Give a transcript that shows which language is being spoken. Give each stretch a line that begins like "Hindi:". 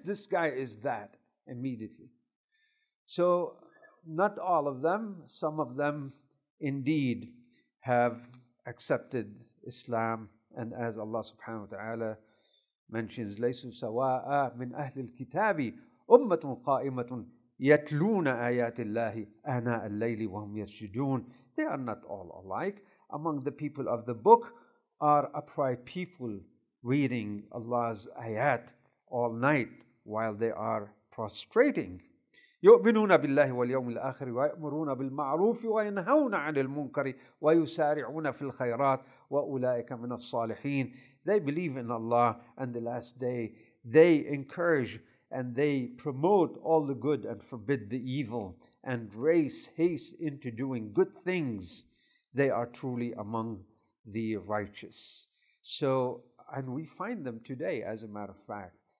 English: This guy is that." Immediately. So not all of them, some of them indeed have accepted Islam, and as Allah subhanahu wa ta'ala mentions,
Arabic: لَيْسُ سَوَاءَ مِنْ أَهْلِ الْكِتَابِ أُمَّةٌ قَائِمَةٌ يَتْلُونَ آيَاتِ اللَّهِ أَنَاءَ اللَّيْلِ وَهُمْ يَسْجُدُونَ.
English: They are not all alike. Among the people of the book are upright people reading Allah's ayat all night while they are prostrating.
Arabic: يؤمنون بالله واليوم الآخر ويأمرون بالمعروف وينهون عن المنكر ويسارعون في الخيرات وأولئك من الصالحين.
English: They believe in Allah and the last day. They encourage and they promote all the good and forbid the evil and race haste into doing good things. They are truly among the righteous. So, and we find them today, as a matter of fact.